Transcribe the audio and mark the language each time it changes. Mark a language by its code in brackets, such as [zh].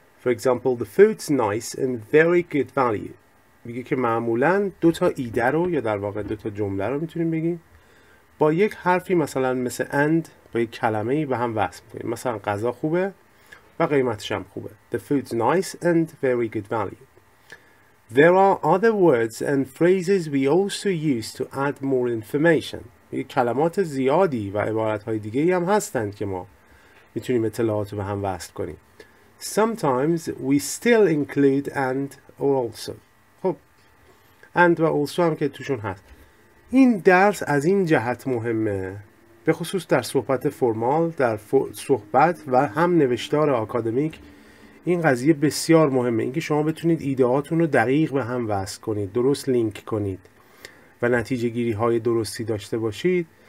[en] For example, the food's nice and very good value. [fa] میگه که معمولا دو تا ایده رو یا در واقع دو تا جمله رو میتونیم بگیم با یک حرفی مثلا مثل and با یک کلمه ای به هم وصل کنیم. مثلا غذا خوبه و قیمتش هم خوبه. [en] The food's nice and very good value. There are other words and phrases we also use to add more information. [fa] میگه کلمات زیادی و عبارت های دیگه هم هستند که ما میتونیم اطلاعات رو به هم وصل کنیم. [en] Sometimes we still include and or also. [fa] خب and و also هم که توشون هست. این درس از این جهت مهمه، به خصوص در صحبت فرمال، در صحبت و هم نوشتار آکادمیک این قضیه بسیار مهمه، اینکه شما بتونید ایدهاتون رو دقیق به هم وصل کنید، درست لینک کنید و نتیجه گیری های درستی داشته باشید.